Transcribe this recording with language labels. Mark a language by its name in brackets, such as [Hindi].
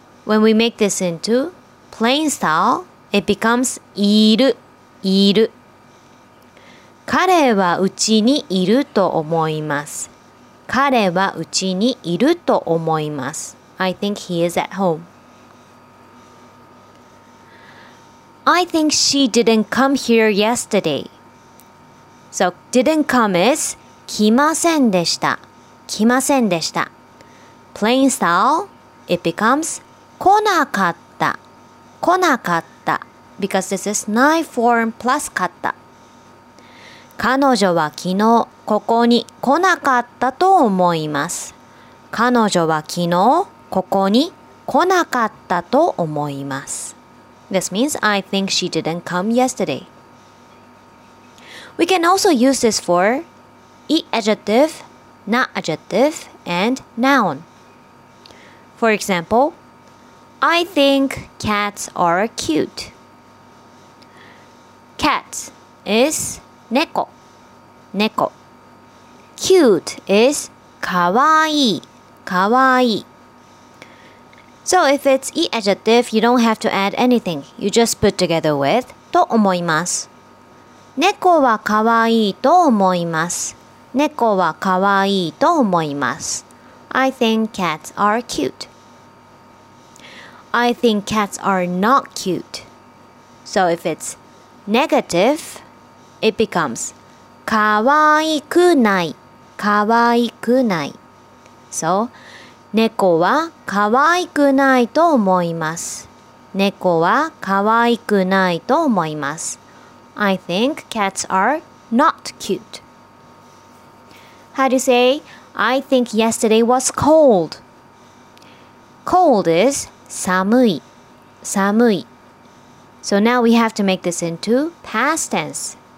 [English] When we make this into plain style, it becomes [Japanese] いる。彼はうちにいると思います。彼はうちにいると思います。 [English] I think he is at home. I think she didn't come here yesterday. So, didn't come is [Japanese] 来ませんでした。来ませんでした。 [English] Plain style, it becomes [Japanese] 来なかった。来なかった。 [English] Because this is nai form plus 買った。 [Japanese] 彼女は昨日ここに来なかったと思います。彼女は昨日ここに来なかったと思います。 [English] This means I think she didn't come yesterday. We can also use this for い adjective, な adjective, and noun. For example,I think cats are cute. Cat is 猫。猫。 Cute is 可愛い。可愛い。 So if it's e adjective, you don't have to add anything. You just put together with と思います。 [Japanese] 猫は可愛いと思います。猫は可愛いと思います。 [English] I think cats are cute. I think cats are not cute. So if it's negative, it becomes [Japanese] 可愛くない。可愛くない。 So 猫は可愛くないと思います。猫は可愛くないと思います。 [English] I think cats are not cute. How do you say, I think yesterday was cold? Cold is [Japanese] 寒い。寒い。 [English] So now we have to make this into past tense.